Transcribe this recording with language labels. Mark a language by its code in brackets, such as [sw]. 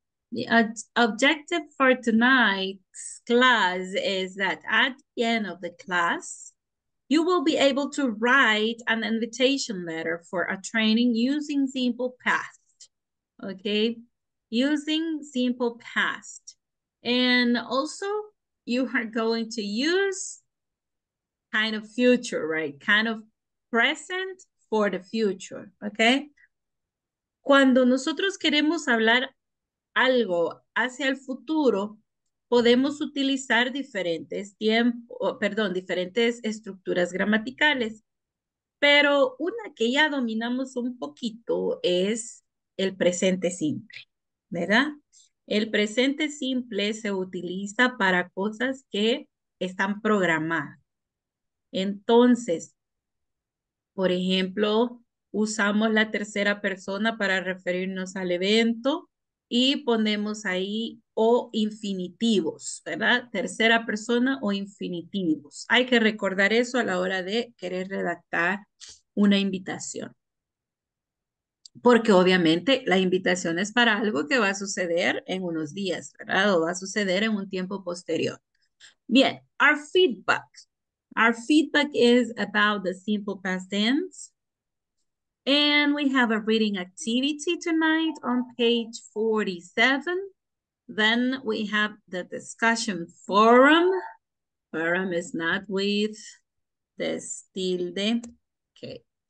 [en] The objective for tonight's class is that at the end of the class, you will be able to write an invitation letter for a training using simple past, okay? Using simple past. And also, you are going to use kind of future, right? Kind of present for the future, okay? [es] Cuando nosotros queremos hablar algo hacia el futuro, podemos utilizar diferentes diferentes estructuras gramaticales. Pero una que ya dominamos un poquito es el presente simple, ¿verdad? El presente simple se utiliza para cosas que están programadas. Entonces, por ejemplo, usamos la tercera persona para referirnos al evento y ponemos ahí o infinitivos, ¿verdad? Tercera persona o infinitivos. Hay que recordar eso a la hora de querer redactar una invitación. Porque obviamente la invitación es para algo que va a suceder en unos días, ¿verdad? O va a suceder en un tiempo posterior. Bien, [en] our feedback. Our feedback is about the simple past tense. And we have a reading activity tonight on page 47. Then we have the discussion forum. Forum is not with the tilde. Okay.